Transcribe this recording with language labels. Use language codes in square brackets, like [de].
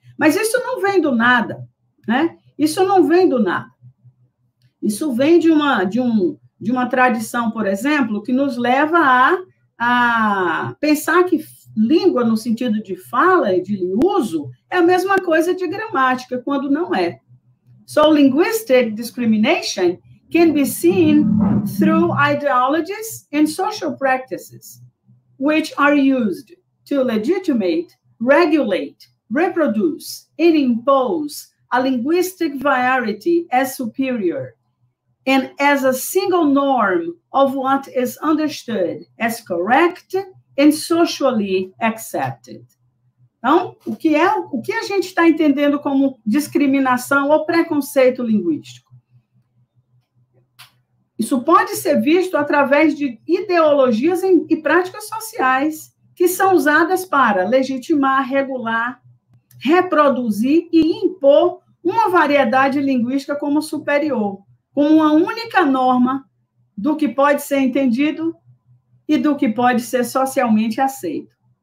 [pt] Mas isso não vem do nada, né? Isso não vem do nada. Isso vem de uma tradição, por exemplo, que nos leva a pensar que língua, no sentido de fala e de uso, é a mesma coisa de gramática, quando não é. [en] So, linguistic discrimination can be seen through ideologies and social practices, which are used to legitimate, regulate, reproduce, and impose a linguistic variety as superior and as a single norm of what is understood as correct and socially accepted. [pt] Então, o que a gente está entendendo como discriminação ou preconceito linguístico? Isso pode ser visto através de ideologias e práticas sociais que são usadas para legitimar, regular, reproduzir e impor uma variedade linguística como superior, como uma única norma do que pode ser entendido e do que pode ser socialmente aceito.